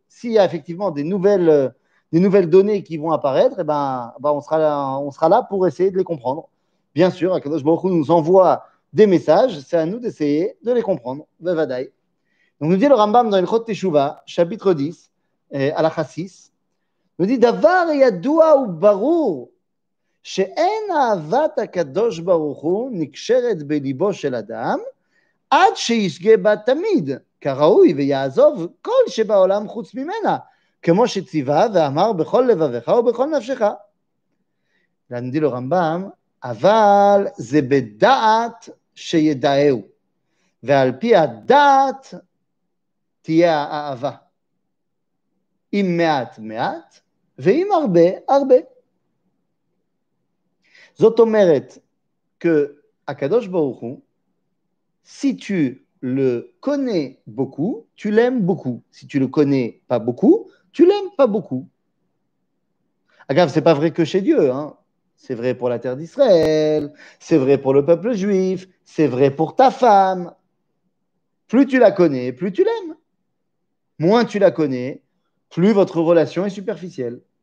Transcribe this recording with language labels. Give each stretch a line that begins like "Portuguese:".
French: S'il y a effectivement des nouvelles données qui vont apparaître, eh ben on sera là pour essayer de les comprendre. Bien sûr, Akadosh Baruch Hu nous envoie des messages, c'est à nous d'essayer de les comprendre. Bevadai. Donc nous dit le Rambam dans l'Hilchot Teshuvah, chapitre 10, à la Chassis, nous dit
Hebrew: Davar yadua ou barou. שאין אהבת הקדוש ברוך הוא נקשרת בליבו של אדם עד שישגה בה תמיד כראוי ויעזוב כל שבעולם חוץ ממנה כמו שציווה ואמר בכל לבבך ובכל נפשך ואני לו רמב״ם אבל זה בדעת שידעהו ועל פי הדעת תהיה האהבה אם מעט מעט ואם הרבה הרבה זאת אומרת que הקדוש ברוך הוא,
French: si tu le connais beaucoup, tu l'aimes beaucoup. Si tu le connais pas beaucoup, tu l'aimes pas beaucoup. Agave, c'est pas vrai que chez Dieu, hein. C'est vrai pour la terre d'Israël, c'est vrai pour le peuple juif, c'est vrai pour ta femme. Plus tu la connais, plus tu l'aimes. Moins tu la connais, plus votre relation est superficielle.